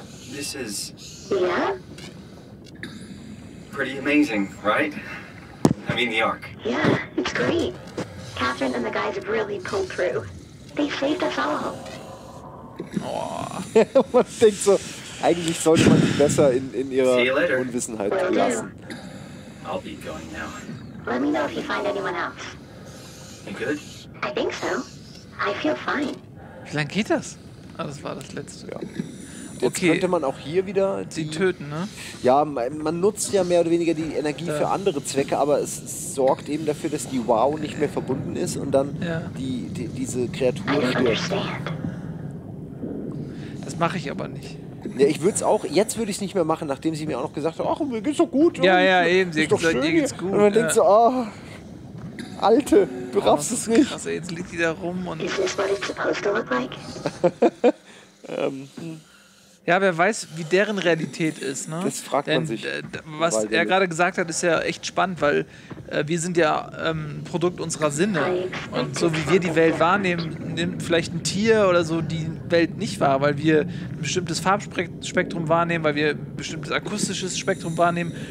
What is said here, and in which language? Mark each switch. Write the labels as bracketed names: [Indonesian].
[English] This is... Yeah? Pretty amazing, right? I mean, the Ark. Yeah, it's great. Catherine and the guys have really pulled through. They saved us all. Oh. [German] Man denkt so, eigentlich sollte man sie besser in ihrer Unwissenheit lassen. [English] I'll be going now. Let me know if you find anyone else. You good? I think so. I feel fine. [German] Wie lange geht das? Ah, das war das letzte. Ja. Jetzt okay. Könnte man auch hier wieder die... Sie töten, ne? Ja, man nutzt ja mehr oder weniger die Energie für andere Zwecke, aber es sorgt eben dafür, dass die Wow nicht mehr verbunden ist und dann diese Kreatur stirbt. Das mache ich aber nicht. Ja, ich würde es auch, jetzt würde ich es nicht mehr machen, nachdem sie mir auch noch gesagt hat, ach, mir geht's doch gut. Ja, ja, eben, sie hat gesagt, dir geht's gut. Und man denkt so, ah, oh, Alte, du raffst es nicht. Also jetzt liegt die da rum und... [English] Is this what it's supposed to look like? [German] Ja, wer weiß, wie deren Realität ist, ne? Das fragt denn man sich. Was er gerade gesagt hat, ist ja echt spannend, weil wir sind ja Produkt unserer Sinne. Und so wie wir die Welt wahrnehmen, nimmt vielleicht ein Tier oder so die Welt nicht wahr, weil wir ein bestimmtes Farbspektrum wahrnehmen, weil wir ein bestimmtes akustisches Spektrum wahrnehmen.